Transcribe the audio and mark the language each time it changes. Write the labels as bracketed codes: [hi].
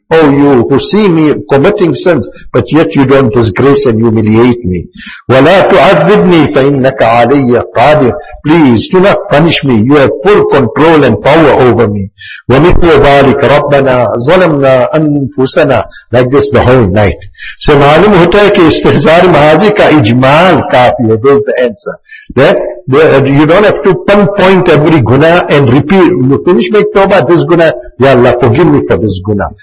[en] Oh you who see me committing sins, but yet you don't disgrace and humiliate me. [ar] وَلَا تُعَذِّبْنِي فَإِنَّكَ عَلَيَّ قَادِرٌ. [en] Please, do not punish me. You have full control and power over me. [ar] وَمِثْلُ ذَلِكَ رَبَّنَا ظَلَمْنَا أَنفُسَنَا. [en] Like this the whole night. So, [ur] معلوم ہوتا ہے کہ استحضار ماضی کا اجمال کافی ہے. [en] There's the answer. That you don't have to pinpoint every guna and repeat. You finish, make toba, this guna. Ya Allah, forgive me for this guna.